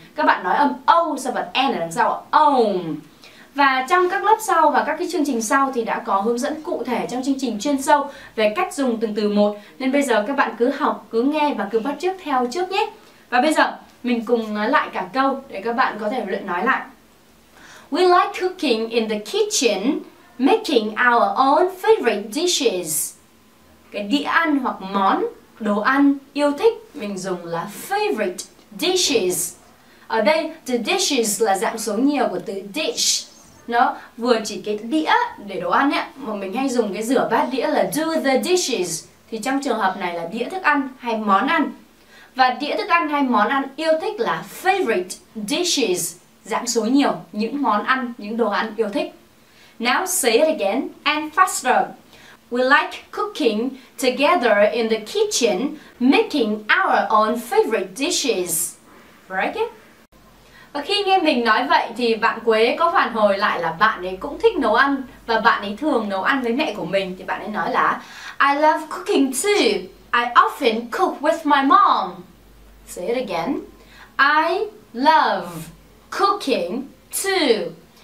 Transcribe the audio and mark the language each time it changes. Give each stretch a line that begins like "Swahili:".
Vietnamese: Các bạn nói âm O sau vật N ở đằng sau, own. Và trong các lớp sau và các cái chương trình sau thì đã có hướng dẫn cụ thể trong chương trình chuyên sâu về cách dùng từng từ một. Nên bây giờ các bạn cứ học, cứ nghe và cứ bắt chước theo trước nhé. Và bây giờ mình cùng nói lại cả câu để các bạn có thể luyện nói lại.
English: We like cooking in the kitchen, making our own favorite dishes.
Vietnamese: Cái đĩa ăn hoặc món, đồ ăn yêu thích, mình dùng là favorite dishes. Ở đây, the dishes là dạng số nhiều của từ dish. Nó vừa chỉ cái đĩa để đồ ăn ấy, mà mình hay dùng cái rửa bát đĩa là
English: do the dishes.
Vietnamese: Thì trong trường hợp này là đĩa thức ăn hay món ăn. Và đĩa thức ăn hay món ăn yêu thích là favorite dishes, dạng số nhiều, những món ăn, những đồ ăn yêu thích.
English: Now say it again and faster. We like cooking together in the kitchen, making our own favorite dishes. Right? Yeah?
Vietnamese: Và khi nghe mình nói vậy thì bạn Quế có phản hồi lại là bạn ấy cũng thích nấu ăn và bạn ấy thường nấu ăn với mẹ của mình. Thì bạn ấy nói là
English: I love cooking too. I often cook with my mom. Say it again. I love cooking too.